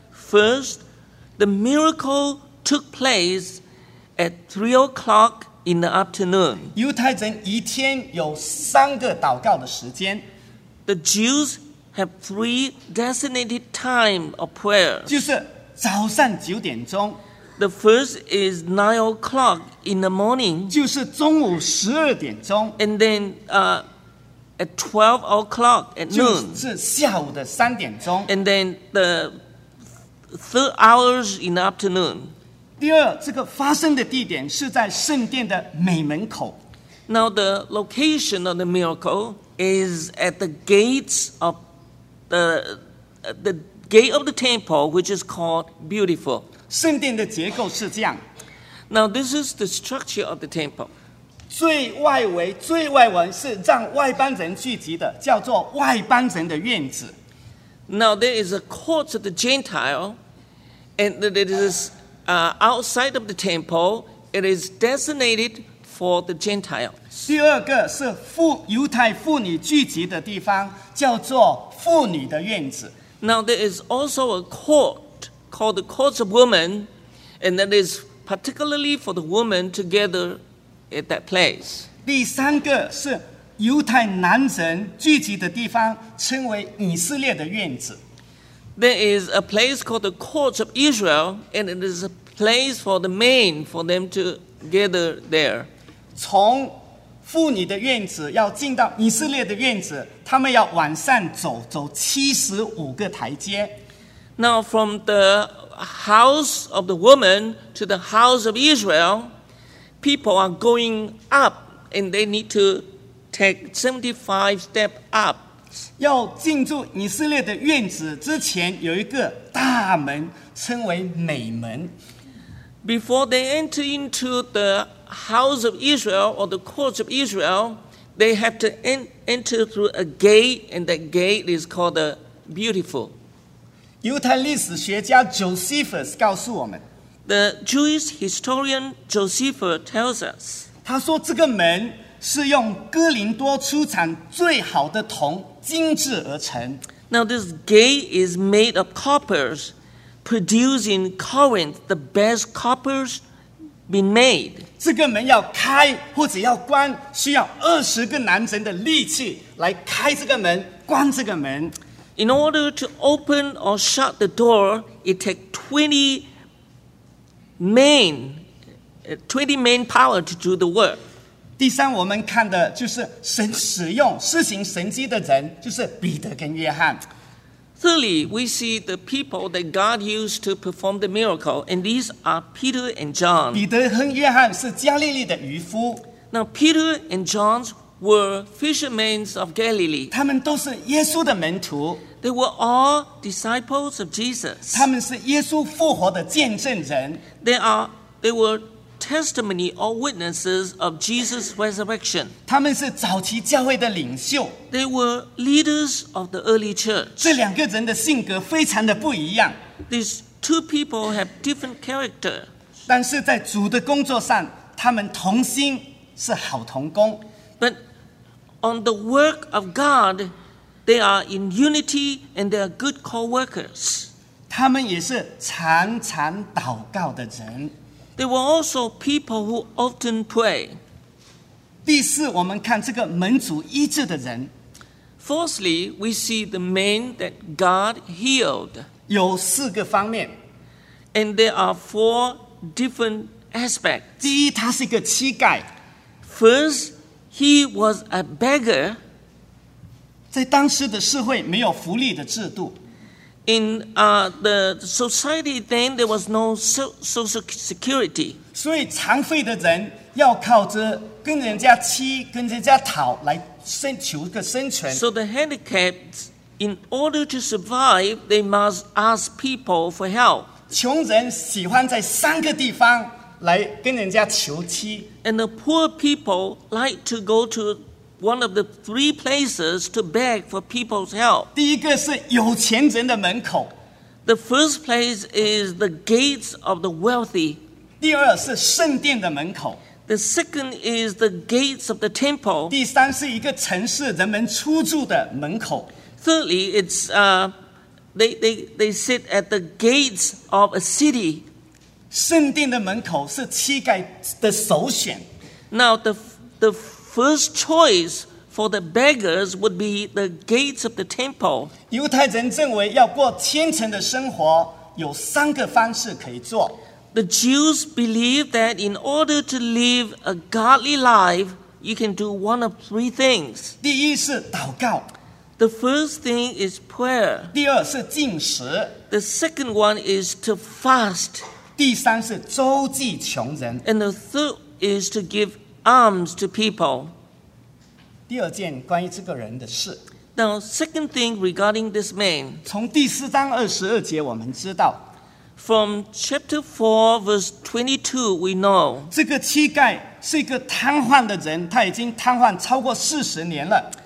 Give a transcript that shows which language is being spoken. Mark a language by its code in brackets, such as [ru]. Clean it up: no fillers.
[en] First, the miracle took place at 3 o'clock in the afternoon. [zh] 犹太人一天有三个祷告的时间。 [en] The Jews have three designated times of prayer. [zh] 就是早上九点钟。 [en] The first is 9 o'clock in the morning. [zh] 就是中午十二点钟。 [en] And then at 12 o'clock at noon. [zh] 就是下午的三点钟。 [en] And then the third hours in the afternoon. [zh] 第二，这个发生的地点是在圣殿的美门口。 [en] Now the location of the miracle is at the gates ofthe gate of the temple, which is called Beautiful. [zh] 圣殿的结构是这样。 [en] Now, this is the structure of the temple. [zh] 最外围最外围是让外邦人聚集的，叫做外邦人的院子。 [en] Now there is a court of the Gentile and it is outside of the temple. It is designated for the Gentile. [zh] 第二个是犹太妇女聚集的地方，叫做妇女的院子。 [en] Now there is also a court called the court of women and that is particularly for the women togetherAt that place. [zh] 第三个是犹太男人聚集的地方，称为以色列的院子。 [en] There is a place called the courts of Israel, and it is a place for the men for them to gather there. [zh] 从妇女的院子要进到以色列的院子，他们要往上走，走75个台阶。 [en] Now from the house of the woman to the house of Israel. People are going up, and they need to take 75 steps up. [zh] 要进入以色列的院子之前，有一个大门，称为美门。 [en] Before they enter into the house of Israel or the courts of Israel, they have to enter through a gate, and that gate is called the Beautiful. [zh] 犹太历史学家 Josephus 告诉我们。 [en] The Jewish historian Josephus tells us. [zh] 他说这个门是用哥林多出产最好的铜精制而成。 [en] Now this gate is made of coppers, produced in Corinth, the best coppers been made. [zh] 这个门要开或者要关，需要20个男人的力气来开这个门，关这个门。 [en] In order to open or shut the door, it takes 20Main, 20 main power to do the work. [zh] 第三，我们看的就是神使用施行神迹的人，就是彼得跟约翰。 [en] Thirdly, we see the people that God used to perform the miracle, and these are Peter and John. [zh] 彼得和约翰是加利利的渔夫。 [en] Now Peter and John were fishermen of Galilee. [zh] 他们都是耶稣的门徒。 [en] They were all disciples of Jesus. [zh] 他们是耶稣复活的见证人。 [en] They were testimony or witnesses of Jesus' resurrection. [zh] 他们是早期教会的领袖。 [en] They were leaders of the early church. [zh] 这两个人的性格非常的不一样。 [en] These two people have different character. [zh] 但是在主的工作上，他们同心是好同工。 [en] But on the work of God,They are in unity and they are good co-workers. [zh] 他们也是常常祷告的人。 [en] They were also people who often pray. [zh] 第四，我们看这个门主医治的人。 [en] Fourthly, we see the man that God healed. [zh] 有四个方面。 [en] And there are four different aspects. [zh] 第一，他是一个乞丐。 [en] First, he was a beggar. [zh] 在当时的社会没有福利的制度。 [en] In the society then there was no social security. [zh] 所以残废的人要靠着跟人家乞、跟人家讨来生求个生存。 [en] So the handicapped, in order to survive, they must ask people for help. [zh] 穷人喜欢在三个地方来跟人家求乞。 [en] And the poor people like to go to. One of the three places to beg for people's help. [zh] 第一个是有钱人的门口。 [en] The first place is the gates of the wealthy. [zh] 第二是圣殿的门口。 [en] The second is the gates of the temple. [zh] 第三是一个城市人们出住的门口。 [en] Thirdly, it's they sit at the gates of a city. [zh] 圣殿的门口是乞丐的首选。 [en] Now the first choice for the beggars would be the gates of the temple. [zh] 犹太人认为要过虔诚的生活有三个方式可以做。 [en] The Jews believe that in order to live a godly life, you can do one of three things. [zh] 第一是祷告。 [en] The first thing is prayer. [zh] 第二是禁食。 [en] The second one is to fast. [zh] 第三是周济穷人。 [en] And the third is to give Arms to people. [zh] 第二件关于这个人的事。 [en] Now, second thing regarding this man. [zh] 从第四章22节我们知道。 [en] From chapter 4, verse 22, we know [zh] 这个乞丐是一个瘫痪的人，他已经瘫痪超过40年了。